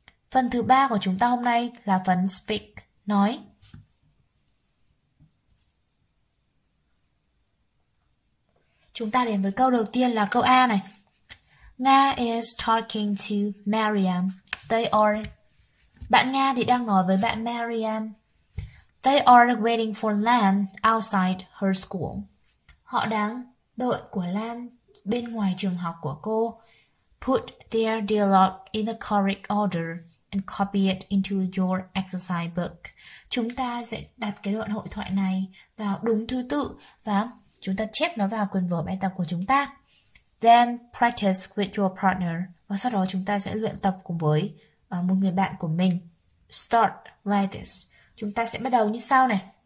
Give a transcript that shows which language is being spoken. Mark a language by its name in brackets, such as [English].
[Vietnamese] Phần thứ ba của chúng ta hôm nay là phần speak, nói. Chúng ta đến với câu đầu tiên là câu A này. [English] Nga is talking to Mariam. They are... [Vietnamese] Bạn Nga thì đang nói với bạn Mariam. [English] They are waiting for Lan outside her school. [Vietnamese] Họ đang đợi của Lan bên ngoài trường học của cô. [English] Put their dialogue in the correct order and copy it into your exercise book. [Vietnamese] Chúng ta sẽ đặt cái đoạn hội thoại này vào đúng thứ tự và chúng ta chép nó vào quyển vở bài tập của chúng ta. [English] Then practice with your partner. [Vietnamese] Và sau đó chúng ta sẽ luyện tập cùng với một người bạn của mình. [English] Start like this. [Vietnamese] Chúng ta sẽ bắt đầu như sau này.